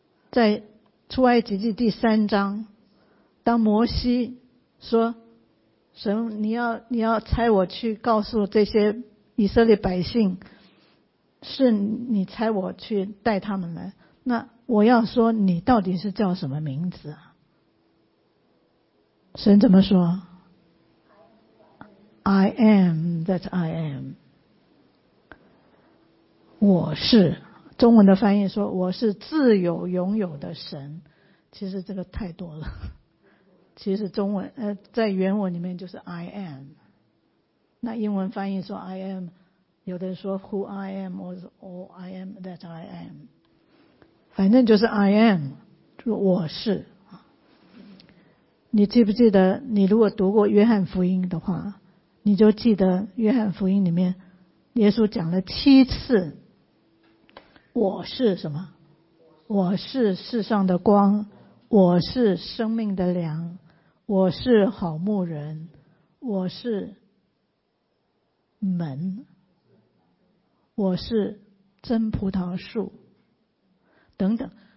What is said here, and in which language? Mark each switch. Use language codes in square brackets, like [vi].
[zh] 在出埃及记第三章，当摩西说神你要差我去告诉这些以色列百姓，是你差我去带他们来，那我要说你到底是叫什么名字啊？神怎么说？ [en] I am that I am， [zh] 我是。中文的翻译说我是自有拥有的神，其实这个太多了。其实中文在原文里面就是 [en] I am， [zh] 那英文翻译说 I am， 有的人说 [en] who I am or I am that I am， [zh] 反正就是 I am， 我是。你记不记得你如果读过约翰福音的话，你就记得约翰福音里面耶稣讲了七次我是什么？我是世上的光，我是生命的粮，我是好牧人，我是门，我是真葡萄树等等。